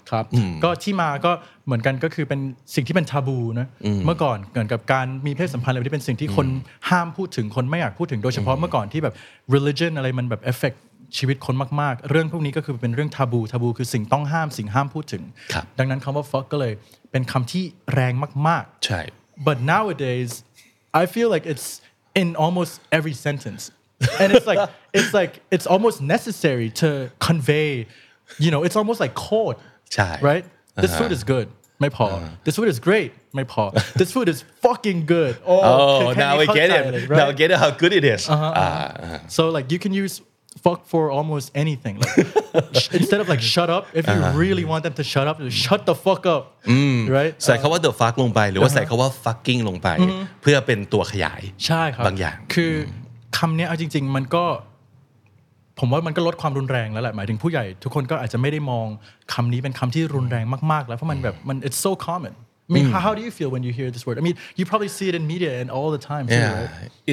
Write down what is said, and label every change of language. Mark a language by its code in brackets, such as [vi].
[th] ครับก็ที่มาก็เหมือนกันก็คือเป็นสิ่งที่เป็นทาบูนะเมื่อก่อนเกี่ยวกับการมีเพศสัมพันธ์อะไรที่เป็นสิ่งที่คนห้ามพูดถึงคนไม่อยากพูดถึงโดยเฉพาะเมื่อก่อนที่แบบ religion อะไรมันแบบ effectชีวิตคนมากๆเรื่องพวกนี้ก็คือเป็นเรื่องทาบูทาบูคือสิ่งต้องห้ามสิ่งห้ามพูดถึงดังนั้นคำว่า fuck ก็เลยเป็นคำที่แรงมากๆ ใช่ [en] but nowadays I feel like it's in almost every sentence and it's like it's almost necessary to convey you know it's almost like code [th] ใช่ [en] right this food is good [th] ไม่พอ [en] This food is great ไม่พอ This food is fucking good oh now we get it now get it how good it is so like you can usefuck for almost anything like, instead of like shut up if you really want them to shut up shut the fuck up right [th] ใส่คําว่า the fuck ลงไปหรือว่าใส่คําว่า fucking ลงไปเพื่อเป็นตัวขยาย ใช่ครับ บางอย่าง คือคําเนี้ยเอาจริงๆมันก็ผมว่ามันก็ลดความรุนแรงแล้วแหละหมายถึงผู้ใหญ่ทุกคนก็อาจจะไม่ได้มองคํานี้เป็นคําที่รุนแรงมากๆแล้วเพราะมันแบบมัน [en] it's so common I mean how do you feel when you hear this word I mean you probably see it in media and all the time too right